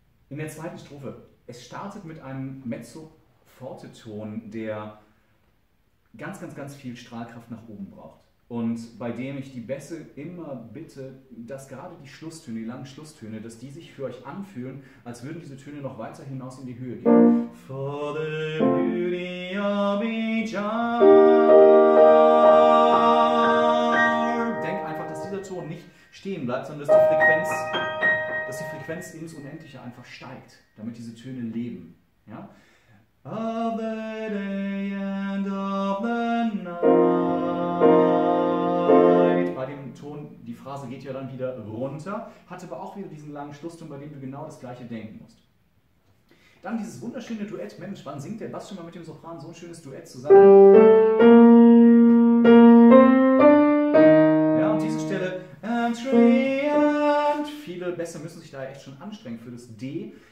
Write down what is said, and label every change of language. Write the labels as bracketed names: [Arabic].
[German] In der zweiten Strophe, es startet mit einem Mezzo-Forte-Ton, der ganz, ganz, ganz viel Strahlkraft nach oben braucht. Und bei dem ich die Bässe immer bitte, dass gerade die Schlusstöne, die langen Schlusstöne, dass die sich für euch anfühlen, als würden diese Töne noch weiter hinaus in die Höhe gehen. [English] For the beauty of each other. [German] Denk einfach, dass dieser Ton nicht stehen bleibt, sondern dass die Frequenz ins Unendliche einfach steigt, damit diese Töne leben. Ja? [English] Of the day and of the night. [German] Bei dem Ton, die Phrase geht ja dann wieder runter, hat aber auch wieder diesen langen Schlusston, bei dem du genau das gleiche denken musst. Dann dieses wunderschöne Duett. Mensch, wann singt der Bass schon mal mit dem Sopran so ein schönes Duett zusammen? Ja, und diese Stelle. And triant. Viele Bässe müssen sich da echt schon anstrengen für das D.